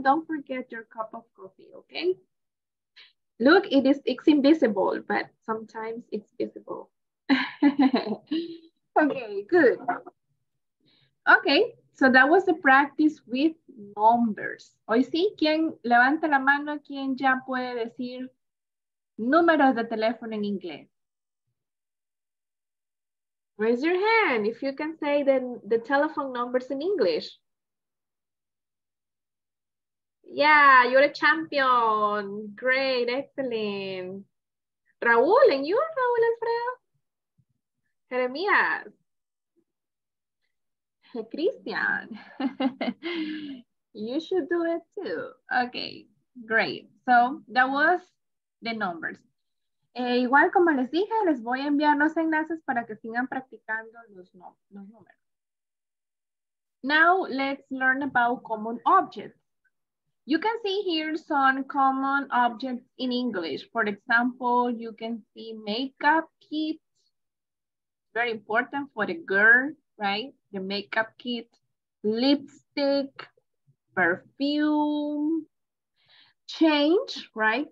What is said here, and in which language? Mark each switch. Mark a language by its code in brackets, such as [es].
[en] Don't forget your cup of coffee, okay? Look, it's invisible, but sometimes it's visible. Okay, good. Okay, so that was the practice with numbers. [es] Hoy sí, ¿quién levanta la mano? ¿Quién ya puede decir números de teléfono en inglés? [en] Raise your hand if you can say the telephone numbers in English. Yeah, you're a champion. Great, excellent. Raúl, and you, Raúl Alfredo? Jeremías. Cristian. You should do it too. Okay, great. So that was the numbers. [es] Igual como les dije, les voy a enviar los enlaces para que sigan practicando los números. [en] Now let's learn about common objects. You can see here some common objects in English. For example, you can see makeup kit. Very important for the girl, right? The makeup kit, lipstick, perfume, change, right?